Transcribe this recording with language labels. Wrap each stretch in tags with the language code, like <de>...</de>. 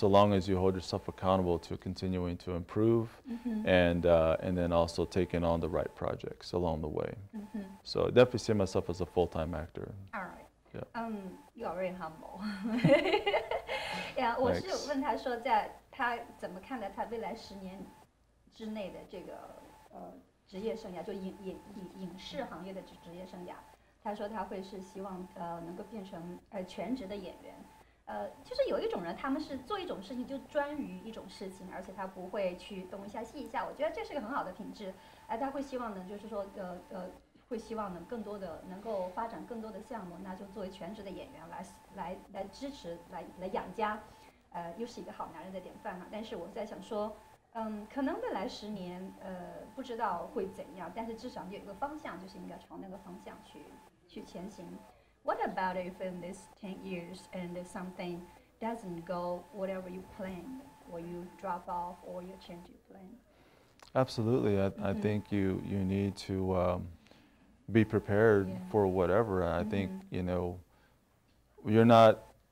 <en>so long as you hold yourself accountable to continuing to improve mm-hmm. And then also taking on the right projects along the way. Mm-hmm. So I definitely see myself as a full-time actor. All right. Yeah. You are very humble. Yeah, I asked him how he sees his future 10 years.</en> <zh>之内的这个职业生涯，就影视行业的职业生涯，他说他会是希望能够变成全职的演员，其实有一种人，他们是做一种事情就专于一种事情，而且他不会去东一下西一下，我觉得这是个很好的品质，他会希望呢，就是说会希望能更多的能够发展更多的项目，那就作为全职的演员来支持来养家，又是一个好男人的典范嘛，但是我在想说。可能未来十年，不知道会怎样，但是至少有一个方向，就是应该朝那个方向去前行。</zh> <en>What about if in these 10 years and something doesn't go whatever you plan, or you drop off, or you change your plan? Absolutely, I think you need to be prepared yeah. for whatever. I mm-hmm. think, you know, you're not...</en>